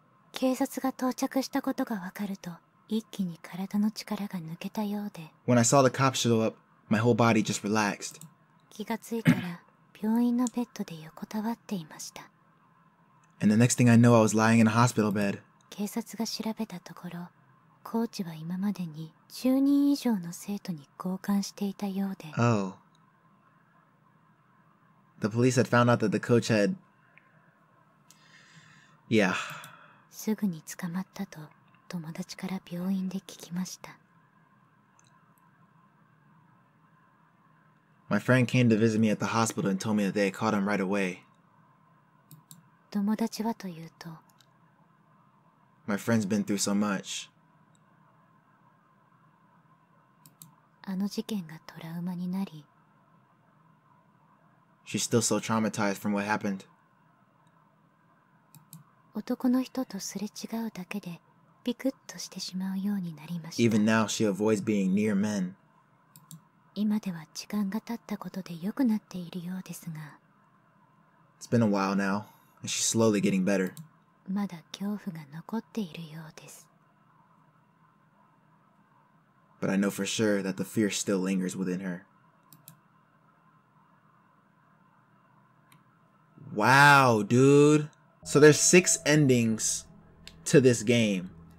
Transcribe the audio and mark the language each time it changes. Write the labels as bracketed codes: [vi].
[ja] 警察が到着したことがわかると、一気に体の力が抜けたようで。 [en] When I saw the cops show up, my whole body just relaxed. [ja] 気がついたら、病院のベッドで横たわっていました。 [en] And the next thing I know, I was lying in a hospital bed. [ja] 警察が調べたところ、コーチは今までに10人以上の生徒に交換していたようで。 [en] Oh. The police had found out that the coach had... Yeah. [ja] すぐに捕まったと友達から病院で聞きました。 [en] My friend came to visit me at the hospital and told me that they caught him right away. [ja] 友達はというと、 [en] My friend's been through so much. [ja] あの事件がトラウマになり、 [en] She's still so traumatized from what happened. [ja] 男の人とすれ違うだけでビクッとしてしまうようになりました。 [en] Even now, she avoids being near men. [ja] 今では時間が経ったことで良くなっているようですが、 [en] It's been a while now, and she's slowly getting better. [ja] まだ恐怖が残っているようです。 [en] But I know for sure that the fear still lingers within her. Wow, dude. So there's 6 endings to this game.